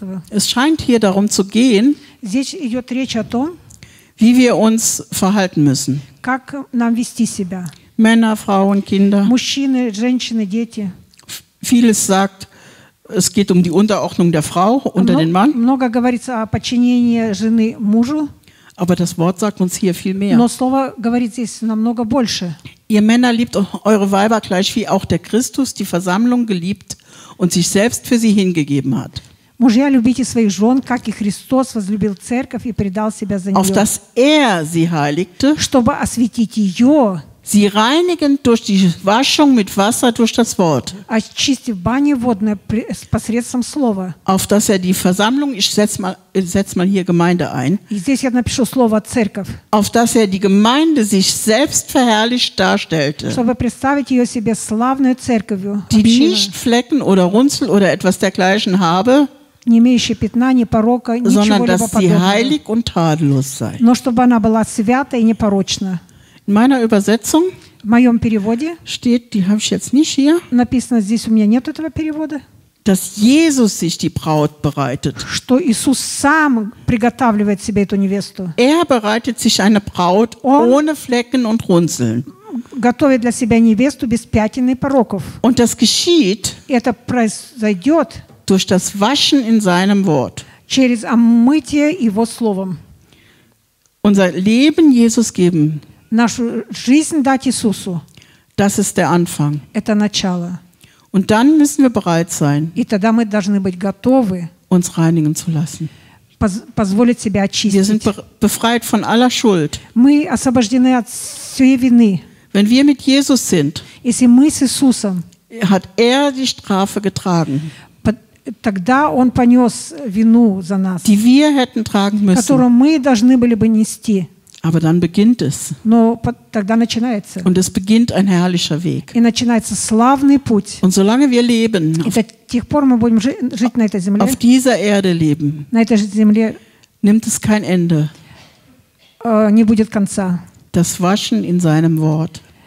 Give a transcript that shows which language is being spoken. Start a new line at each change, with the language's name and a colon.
German: Es scheint hier darum zu gehen,
Russian: здесь идет речь о том,
German: wie wir uns verhalten müssen.
Russian: Как нам вести себя?
German: Männer, Frauen, Kinder.
Russian: Мужчины, женщины, дети.
German: Vieles sagt, es geht um die Unterordnung der Frau unter den Mann.
Russian: Много говорится о подчинении жены мужу.
German: Aber das Wort sagt uns hier viel mehr.
Russian: Но слово говорит здесь намного больше.
German: Ihr Männer liebt eure Weiber gleich wie auch der Christus die Versammlung geliebt und sich selbst für sie hingegeben hat.
Russian: Мужья, любите своих жен, как и Христос возлюбил церковь и предал себя за нее.
German: Auf das er sie heiligte,
Russian: чтобы освятить ее,
German: sie reinigend durch die Waschung mit Wasser durch das Wort.
Russian: Очистив бане водное посредством слова.
German: Auf das er die Versammlung, ich setz mal hier Gemeinde ein.
Russian: И здесь я напишу слово церковь.
German: Auf das er die Gemeinde sich selbst verherrlicht darstellte.
Russian: Чтобы представить ее себе славную церковью.
German: Die
Russian: община.
German: Nicht Flecken oder Runzel oder etwas dergleichen habe.
Russian: Не имеющие пятна, ни порока,
German: sondern dass sie heilig und tadellos sei.
Russian: Но чтобы она была свята и непорочна.
German: In meiner Übersetzung steht, die habe ich jetzt nicht hier,
Russian: написано здесь, у меня нет этого перевода,
German: dass Jesus sich die Braut bereitet.
Russian: Что Иисус сам приготавливает себе эту невесту.
German: Er bereitet sich eine Braut ohne Flecken und Runzeln.
Russian: Готовит для себя невесту без пятен и пороков.
German: Und das geschieht
Russian: это произойдет
German: durch das Waschen in seinem Wort.
Russian: Через омытие его словом.
German: Unser Leben Jesus geben.
Russian: Нашу жизнь дать Иисусу.
German: Das ist der Anfang.
Russian: Это начало.
German: Und dann müssen wir bereit sein,
Russian: и тогда мы должны быть готовы
German: uns reinigen zu lassen.
Russian: Позволить себя очистить.
German: Wir sind befreit von aller Schuld.
Russian: Мы освобождены от всей вины.
German: Wenn wir mit Jesus sind,
Russian: если мы с Иисусом,
German: hat er die Strafe getragen.
Russian: Тогда он понес вину за нас,
German: die wir hätten tragen müssen.
Russian: Которую мы должны были бы нести.
German: Aber dann beginnt es. Und es beginnt ein herrlicher Weg. Und solange wir leben, auf dieser Erde leben, nimmt es kein Ende. Das Waschen in seinem Wort.